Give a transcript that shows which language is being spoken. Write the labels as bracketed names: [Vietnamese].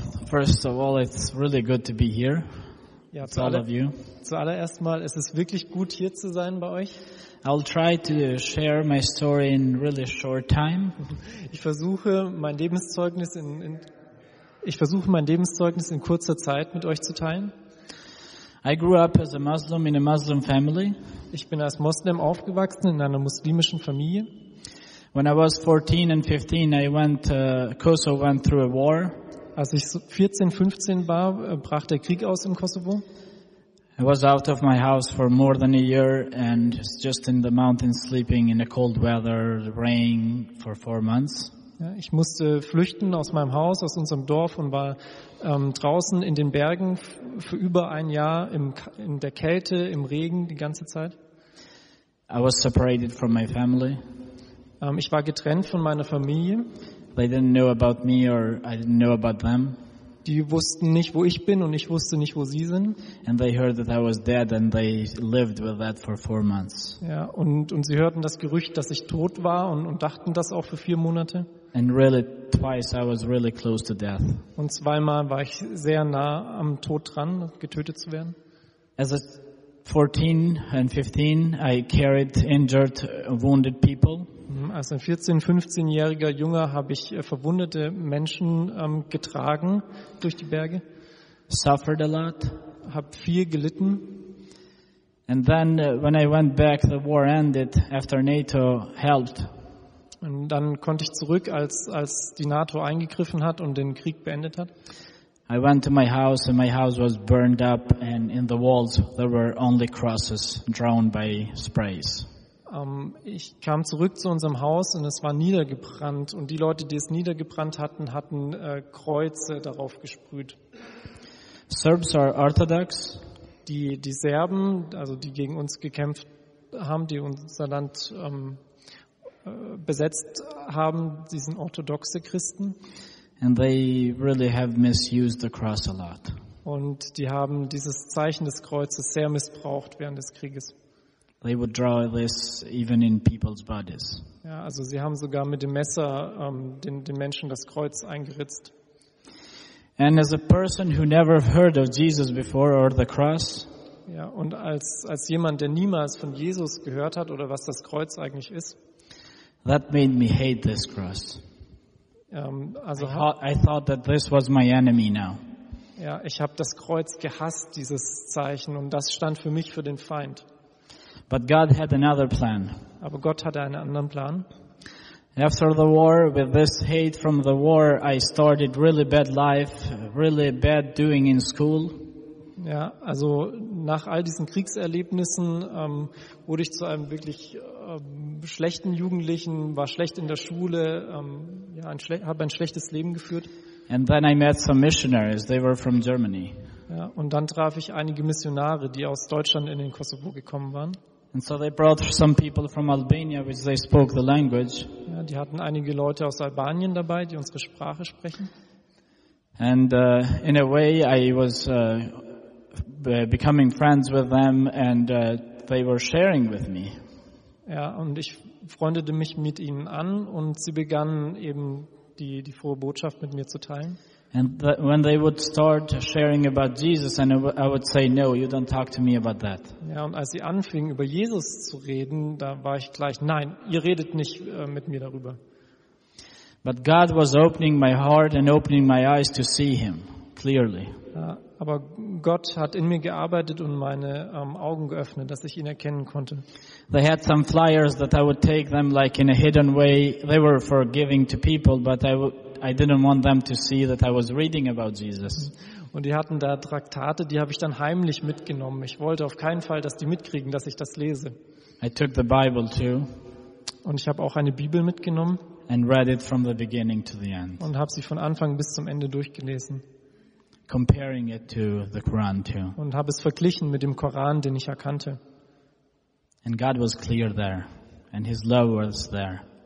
[English] First of all, it's really good to be here. Ja, to all of you. [German] Zuallererst mal, es ist wirklich gut hier zu sein bei euch. [English] I'll try to share my story in really short time. [German] Ich versuche mein Lebenszeugnis in kurzer Zeit mit euch zu teilen. [English] I grew up as a Muslim in a Muslim family. [German] Ich bin als Moslem aufgewachsen in einer muslimischen Familie. [English] When I was 14 and 15, Kosovo went through a war. [German] Als ich 14, 15 war, brach der Krieg aus im Kosovo. [English] I was out of my house for more than a year and just in the mountains sleeping in the cold weather, rain for 4 months. [German] Ja, ich musste flüchten aus meinem Haus, aus unserem Dorf und war draußen in den Bergen für über ein Jahr in der Kälte, im Regen die ganze Zeit. [English] I was separated from my family. [German] Ich war getrennt von meiner Familie. [English] They didn't know about me or I didn't know about them. [German] Die wussten nicht, wo ich bin und ich wusste nicht, wo sie sind. [English] And they heard that I was dead and they lived with that for 4 months. [German] Ja, und sie hörten das Gerücht, dass ich tot war und dachten das auch für 4 Monate. [English] And really twice I was really close to death. [German] Und zweimal war ich sehr nah am Tod dran, getötet zu werden. [English] As a 14 and 15 I carried injured wounded people. [German] Als ein 14-, 15-jähriger Junge habe ich verwundete Menschen getragen durch die Berge. [English] Suffered a lot. [German] Hab viel gelitten. [English] And then when I went back, the war ended after NATO helped. [German] Und dann konnte ich zurück, als die NATO eingegriffen hat und den Krieg beendet hat. [English] I went to my house and my house was burned up and in the walls there were only crosses drawn by sprays. [German] Ich kam zurück zu unserem Haus und es war niedergebrannt und die Leute, die es niedergebrannt hatten, hatten Kreuze darauf gesprüht. [English] Serbs are orthodox. [German] Die Serben, also die gegen uns gekämpft haben, die unser Land besetzt haben, die sind orthodoxe Christen. [English] And they really have misused the cross a lot. [German] Und die haben dieses Zeichen des Kreuzes sehr missbraucht während des Krieges. [English] They would draw this even in people's bodies. [German] Ja, also sie haben sogar mit dem Messer den Menschen das Kreuz eingeritzt. [English] And as a person who never heard of Jesus before or the cross. [German] Ja, und als jemand, der niemals von Jesus gehört hat oder was das Kreuz eigentlich ist. [English] That made me hate this cross. [German] Also [English] I thought that this was my enemy now. [German] Ja, ich habe das Kreuz gehasst, dieses Zeichen, und das stand für mich für den Feind. [English] But God had another plan. [German] Aber Gott hatte einen anderen Plan. [English] After the war, with this hate from the war, I started really bad life, really bad doing in school. [German] Ja, also nach all diesen Kriegserlebnissen wurde ich zu einem wirklich schlechten Jugendlichen, war schlecht in der Schule, habe ein schlechtes Leben geführt. [English] And then I met some missionaries. They were from Germany. [German] Ja, und dann traf ich einige Missionare, die aus Deutschland in den Kosovo gekommen waren. [English] And so they brought some people from Albania, which they spoke the language. [German] Ja, die hatten einige Leute aus Albanien dabei, die unsere Sprache sprechen. [English] And in a way, I was becoming friends with them, and they were sharing with me. [German] Ja, und ich freundete mich mit ihnen an, und sie begannen eben die frohe Botschaft mit mir zu teilen. [English] And when they would start sharing about Jesus, and I would say, no, you don't talk to me about that. [German] Ja, und als sie anfingen, über Jesus zu reden, da war ich gleich, nein, ihr redet nicht mit mir darüber. [English] But God was opening my heart and opening my eyes to see him clearly. [German] Ja, aber Gott hat in mir gearbeitet und meine Augen geöffnet, dass ich ihn erkennen konnte. [English] They had some flyers that I would take them like in a hidden way. They were for giving to people, but I didn't want them to see that I was reading about Jesus. [German] Und die hatten da Traktate, die habe ich dann heimlich mitgenommen. Ich wollte auf keinen Fall, dass die mitkriegen, dass ich das lese. [English] I took the Bible too. [German] Und ich habe auch eine Bibel mitgenommen. [English] And read it from the beginning to the end. [German] Und habe sie von Anfang bis zum Ende durchgelesen. [English] Comparing it to the Quran too. [German] Und habe es verglichen mit dem Koran, den ich erkannte. [English] And God was clear there, and his love was there.